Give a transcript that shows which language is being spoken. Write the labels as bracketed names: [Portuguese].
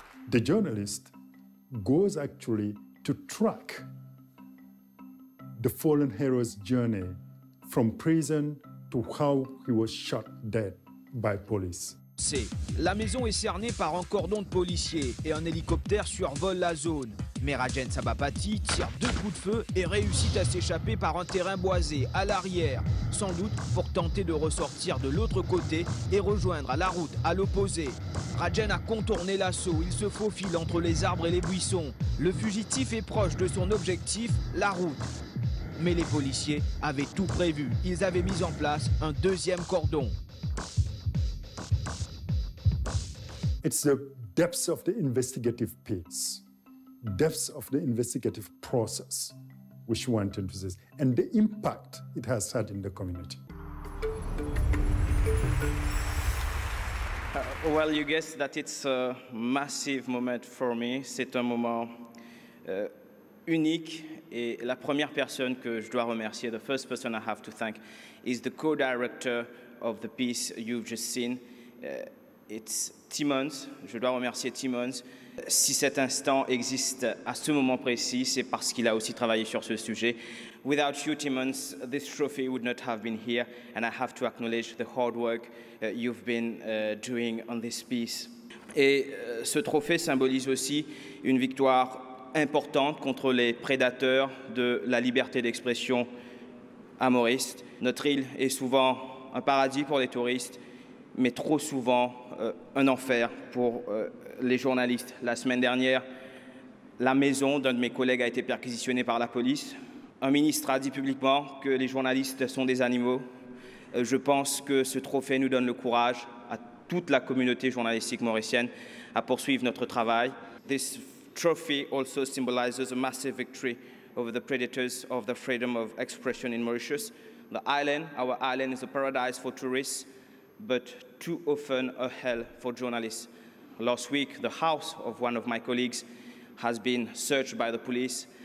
[English] The journalist goes actually to track the fallen hero's journey from prison to how he was shot dead by police. [French] C'est la maison est cernée par un cordon de policiers et un hélicoptère survole la zone. Mais Rajen Sabapati tire deux coups de feu et réussit à s'échapper par un terrain boisé à l'arrière, sans doute pour tenter de ressortir de l'autre côté et rejoindre la route à l'opposé. Rajen a contourné l'assaut, il se faufile entre les arbres et les buissons. Le fugitif est proche de son objectif, la route. Mais les policiers avaient tout prévu, ils avaient mis en place un deuxième cordon. [English] It's the depths of the investigative piece, depths of the investigative process which went into this, and the impact it has had in the community. Well, you guess that it's a massive moment for me. [French] C'est un moment unique, et la première personne que je dois remercier, the first person I have to thank, is the co-director of the piece you've just seen. It's Timmons. Je dois remercier Timmons. Si cet instant existe à ce moment précis, c'est parce qu'il a aussi travaillé sur ce sujet. [English] Without you, Timmons, this trophy would not have been here, and I have to acknowledge the hard work you've been doing on this piece. [French] Et ce trophée symbolise aussi une victoire importante contre les prédateurs de la liberté d'expression à Maurice. Notre île est souvent un paradis pour les touristes, mais trop souvent un enfer pour les journalistes. La semaine dernière, la maison d'un de mes collègues a été perquisitionnée par la police. Un ministre a dit publiquement que les journalistes sont des animaux. Je pense que ce trophée nous donne le courage à toute la communauté journalistique mauricienne à poursuivre notre travail. [English] This trophy also symbolizes a massive victory over the predators of the freedom of expression in Mauritius. The island, our island, is a paradise for tourists, but too often a hell for journalists. Last week, the house of one of my colleagues has been searched by the police.